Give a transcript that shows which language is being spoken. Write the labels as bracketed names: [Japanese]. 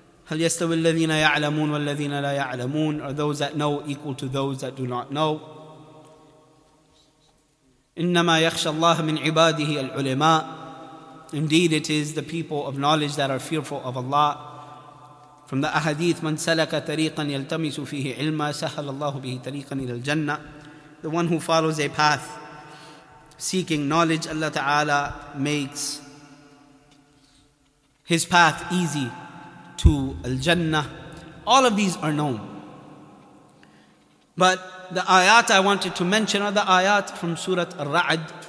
[Arabic] هَلْ يَسْتَوِ الَّذِينَ يَعْلَمُونَ وَالَّذِينَ لَا يَعْلَمُونَ. [English] Are those that know equal to those that do not know? [Arabic] إِنَّمَا يَخْشَ اللَّهَ مِنْ عِبَادِهِ الْعُلِمَاءِ. [English] Indeed, it is the people of knowledge that are fearful of Allah. From the ahadith, [Arabic] من سلك طريقا يلتمس فيه علما سهل الله به طريقا إلى الجنة. [English] The one who follows a path seeking knowledge, Allah Ta'ala makes his path easy to al-jannah. All of these are known. But the ayat I wanted to mention are the ayat from Surah Ar-Ra'd.